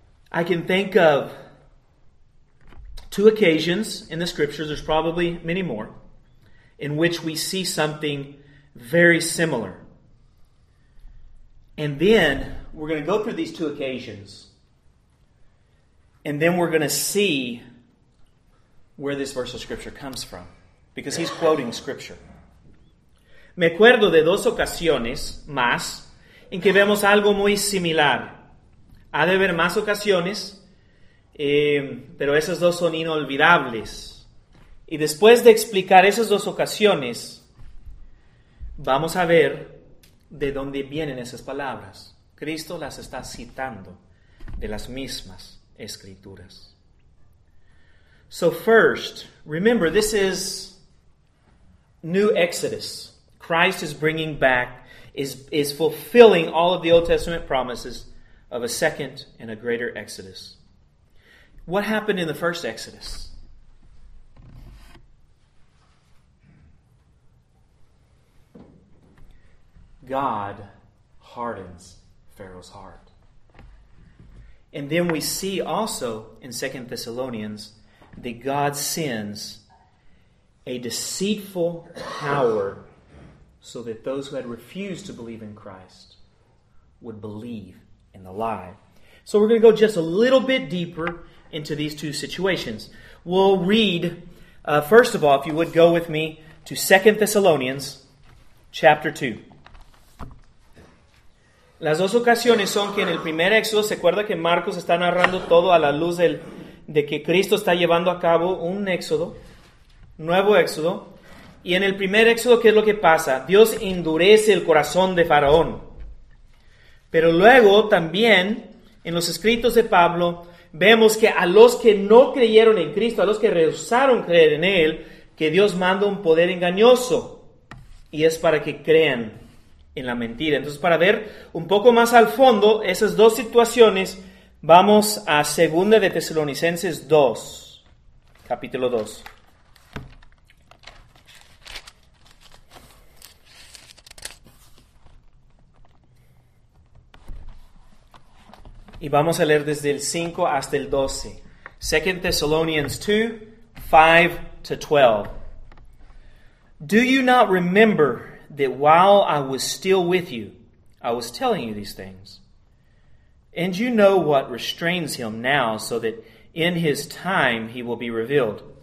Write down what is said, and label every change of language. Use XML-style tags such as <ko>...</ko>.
<en>I can think of two occasions in the scriptures, there's probably many more, in which we see something very similar. And then we're going to go through these two occasions, and then we're going to see where this verse of scripture comes from, because he's quoting scripture.</en> <es>Me acuerdo de dos ocasiones más en que vemos algo muy similar. Ha de haber más ocasiones, pero esas dos son inolvidables. Y después de explicar esas dos ocasiones, vamos a ver de dónde vienen esas palabras. Cristo las está citando de las mismas escrituras.</es> <en>So first, remember, this is New Exodus. Christ is bringing back, is fulfilling all of the Old Testament promises of a second and a greater exodus. What happened in the first exodus? God hardens Pharaoh's heart. And then we see also in 2 Thessalonians that God sends a deceitful power so that those who had refused to believe in Christ would believe in the lie. So we're going to go just a little bit deeper into these two situations. We'll read, first of all, if you would go with me to 2 Thessalonians chapter 2.</en> <es>Las dos ocasiones son que en el primer éxodo, se acuerda que Marcos está narrando todo a la luz de que Cristo está llevando a cabo un éxodo, nuevo éxodo. Y en el primer éxodo, ¿qué es lo que pasa? Dios endurece el corazón de Faraón. Pero luego también en los escritos de Pablo vemos que a los que no creyeron en Cristo, a los que rehusaron creer en Él, que Dios manda un poder engañoso y es para que crean en la mentira. Entonces, para ver un poco más al fondo esas dos situaciones, vamos a 2 de Tesalonicenses 2, capítulo 2. Y vamos a leer desde el 5 hasta el 12.</es> <en>2 Thessalonians 2, 5 to 12. Do you not remember that while I was still with you, I was telling you these things? And you know what restrains him now, so that in his time he will be revealed.</en>